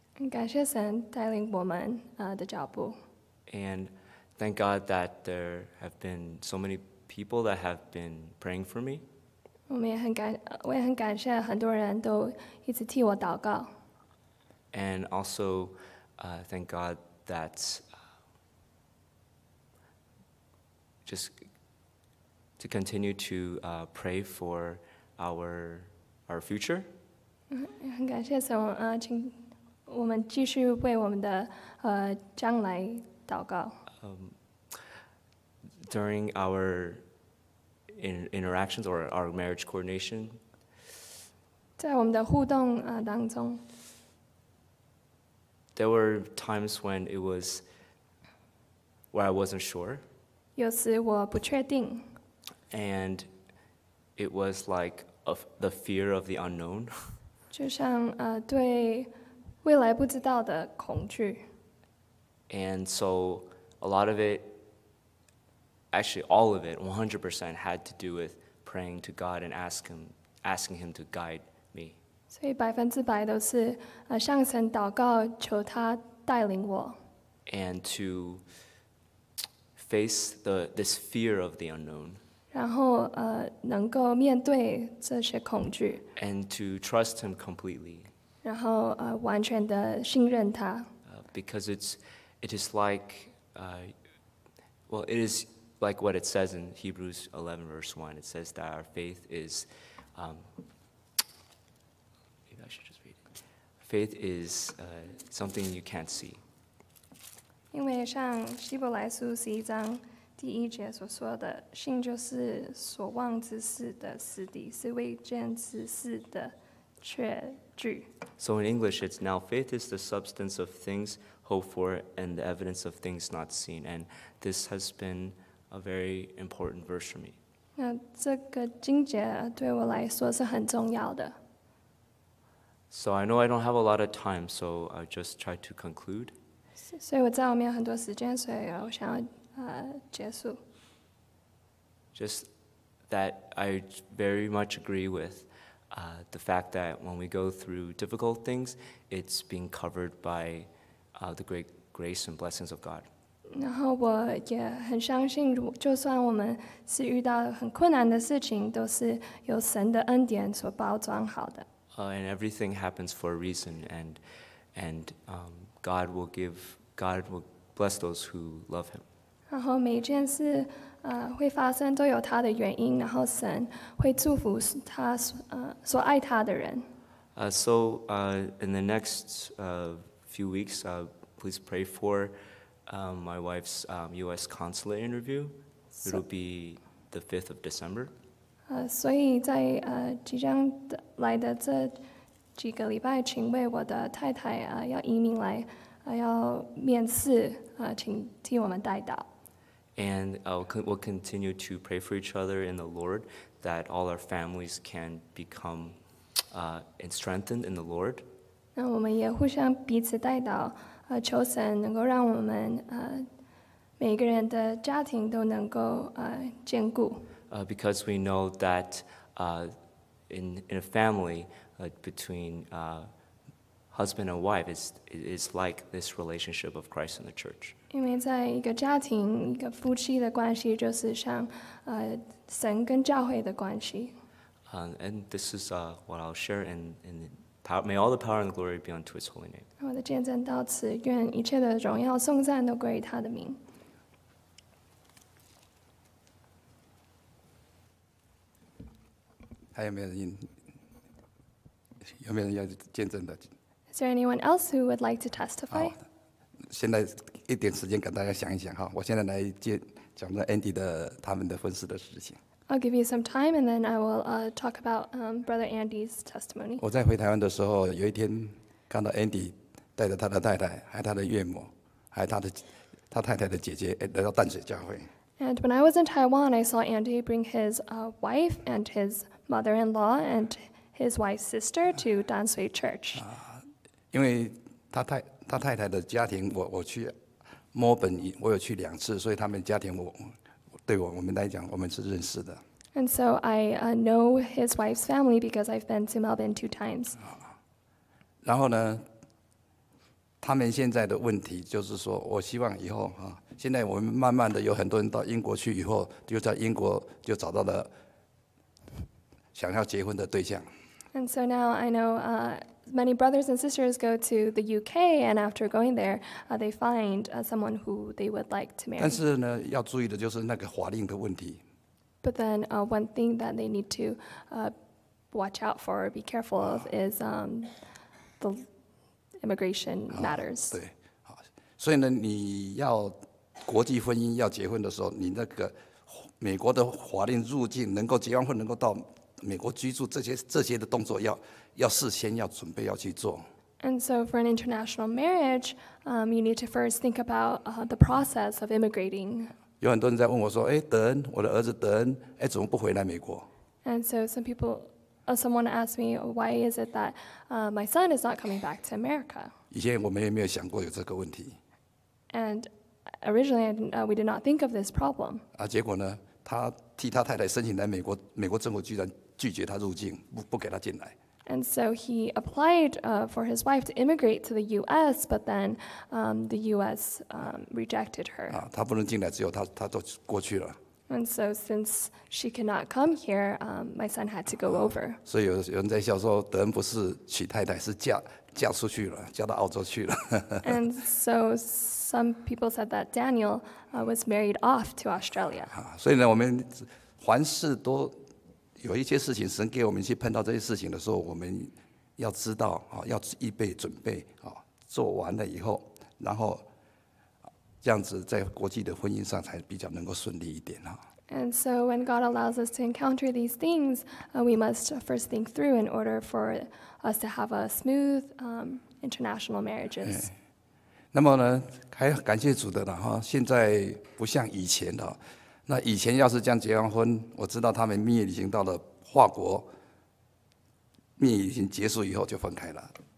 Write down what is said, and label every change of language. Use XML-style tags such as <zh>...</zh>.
<zh>感谢神带领我们的脚步。</zh> <en>And thank God that there have been so many people that have been praying for me.</en> <zh>我也很感谢很多人都一直替我祷告。</zh> <en>And also, thank God that. Just to continue to pray for our future.</en> <zh>很感谢神，请我们继续为我们的将来祷告。</zh> <en>During our interactions or our marriage coordination.</en> <zh>在我们的互动当中。</zh> <en>There were times when it was where I wasn't sure.</en> <zh>有时我不确定。</zh> <en>And it was like the fear of the unknown.</en> <zh>就像对未来不知道的恐惧。</zh> <en>And so a lot of it, actually all of it, 100% had to do with praying to God and asking him to guide me.</en> <zh>所以百分之百都是向神祷告，求他带领我。</zh> <en>And to face this fear of the unknown.</en> <zh>然后能够面对这些恐惧。</zh> <en>And to trust him completely.</en> <zh>然后完全的信任他。</zh> <en>Because it is like, well, it is like what it says in Hebrews 11 verse 1. It says that our faith is, maybe I should just read it. Faith is something you can't see.</en> <zh>因为像希伯来书十一章第一节所说的，信就是所望之事的实底，是未见之事的确据。</zh> <en>So in English, it's now faith is the substance of things hoped for and the evidence of things not seen. And this has been a very important verse for me.</en> <zh>那这个经节对我来说是很重要的。</zh> <en>So I know I don't have a lot of time, so I just try to conclude.</en> <zh>所以我在我没有很多时间，所以我想要结束。</zh> <en>Just that I very much agree with the fact that when we go through difficult things, it's being covered by the great grace and blessings of God.</en> <zh>然后我也很相信，就算我们是遇到很困难的事情，都是由神的恩典所包装好的。</zh> <en>And everything happens for a reason, and God will bless those who love him.</en> <zh>然后每一件事会发生都有他的原因，然后神会祝福他所爱他的人。</zh> <en>So in the next few weeks, please pray for my wife's U.S. consulate interview. It'll be the 5th of December.</en> <zh>所以在即将来的这几个礼拜，请为我的太太要移民来要面试请替我们代祷。</zh> <en>And we'll continue to pray for each other in the Lord that all our families can become and strengthened in the Lord.</en> <zh>那我们也互相彼此代祷求神能够让我们每个人的家庭都能够坚固。</zh> <en>Because we know that in a family between husband and wife is like this relationship of Christ and the church.</en> <zh>因为在一个家庭，一个夫妻的关系就是像神跟教会的关系。</zh> <en>And this is what I'll share. And may all the power and the glory be unto His holy name.</en> <zh>我的见证到此，愿一切的荣耀颂赞都归于他的名。还有没有人？有没有人要见证的？</zh> <en>Is there anyone else who would like to testify?</en> <zh>现在一点时间给大家想一想哈，我现在来讲的 Andy 的他们的婚事的事情。</zh> <en>I'll give you some time and then I will talk about Brother Andy's testimony.</en> <zh>我在回台湾的时候，有一天看到 Andy 带着他的太太，还有他的岳母，还有他太太的姐姐来到淡水教会。</zh> <en>And when I was in Taiwan, I saw Andy bring his wife and his mother-in-law and his wife's sister to Dansui Church.</en> <zh>因为他太太的家庭，我去墨尔本，我有去两次，所以他们家庭我们来讲，我们是认识的。</zh> <en>And so I know his wife's family because I've been to Melbourne 2 times.</en> <zh>然后呢，他们现在的问题就是说，我希望以后现在我们慢慢的有很多人到英国去，以后就在英国就找到了想要结婚的对象。</zh> <en>And so now I know many brothers and sisters go to the UK, and after going there, they find someone who they would like to marry.</en> <zh>但是呢，要注意的就是那个法令的问题。</zh> <en>But then one thing that they need to watch out for, be careful of, is the immigration matters.</en> <zh>对，好，所以呢，你要国际婚姻要结婚的时候，你那个美国的法令入境能够结完婚能够到。美国居住这些的动作要事先要准备要去做。</zh> <en>And so for an international marriage, you need to first think about the process of immigrating.</en> <zh>有很多人在问我说，哎，德恩，我的儿子德恩，哎，怎么不回来美国？</zh> <en>And so some people, someone asked me, why is it that my son is not coming back to America?</en> <zh>以前我们也没有想过有这个问题。</zh> <en>And originally, we did not think of this problem.</en> <zh>啊，结果呢，他替他太太申请来美国，美国政府居然拒绝他入境，不给他进来。</zh> <en>And so he applied for his wife to immigrate to the U.S., but then the U.S. Rejected her.</en> <zh>啊，他不能进来，只有他，他都过去了。</zh> <en>And so since she cannot come here, my son had to go over.</en> <zh>所以有人在笑说，德恩不是娶太太，是嫁出去了，嫁到澳洲去了。</zh> <en>And so some people said that Daniel was married off to Australia.</en> <zh>所以呢，我们凡事都。有一些事情神给我们去碰到这些事情的时候，我们要知道要预备准备做完了以后，然后这样子在国际的婚姻上才比较能够顺利一点。</zh> <en>And so when God allows us to encounter these things, we must first think through in order for us to have a smooth international marriages.</en> <zh>那么呢，还感谢主的呢，现在不像以前了。那以前要是这样结完婚，我知道他们蜜月旅行到了法国，蜜月旅行结束以后就分开了。</zh>